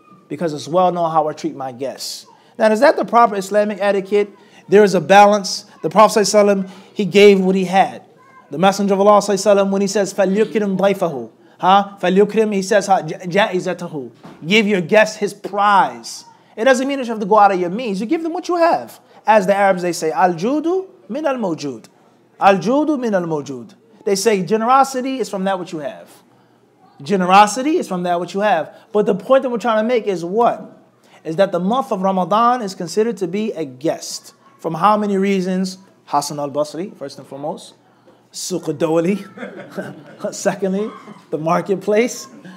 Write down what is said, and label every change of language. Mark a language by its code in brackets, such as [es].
[en] Because it's well known how I treat my guests. Now, is that the proper Islamic etiquette? There is a balance. The Prophet ﷺ, he gave what he had. The Messenger of Allah ﷺ, when he says, [ar] فَلْيُكْرِمْ ضَيْفَهُ فَلْيُكْرِمْ, [en] he says, [ar] جَائِزَتَهُ, [en] give your guest his prize. It doesn't mean that you have to go out of your means. You give them what you have. As the Arabs, they say, [ar] أَلْجُودُ مِنَ الْمَوْجُودُ, أَلْجُودُ مِنَ الْمَوْجُودُ. [en] They say, generosity is from that which you have. Generosity is from that which you have. But the point that we're trying to make is what? Is that the month of Ramadan is considered to be a guest. From how many reasons? Hasan al-Basri, first and foremost. Suq al-Dawli. Secondly, the marketplace.